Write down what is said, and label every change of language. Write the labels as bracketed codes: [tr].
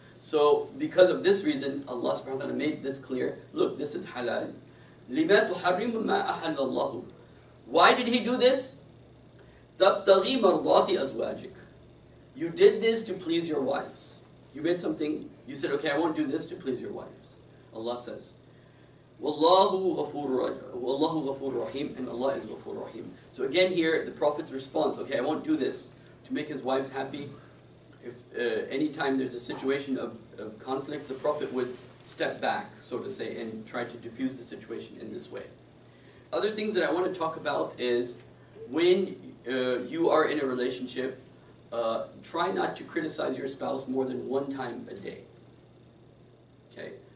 [en] So because of this reason, Allah subhanahu wa ta'ala made this clear. Look, this is halal. [ar] لِمَا تُحَرِّمُ مَا أَحَلَّ اللَّهُ. [en] Why did he do this? [ar] تَبْتَغِي مَرْضَاتِ أَزْوَاجِكَ. [en] You did this to please your wives. You made something, you said, okay, I won't do this to please your wives. Allah says, [ar] وَاللَّهُ غَفُورُ رَحِيمٌ. [en] And Allah is [ar] غَفُورُ رَحِيمٌ. [en] So again here, the Prophet's response, okay, I won't do this to make his wives happy. If anytime there's a situation of conflict, the Prophet would step back, so to say, and try to diffuse the situation in this way. Other things that I want to talk about is when you are in a relationship, try not to criticize your spouse more than one time a day. Okay?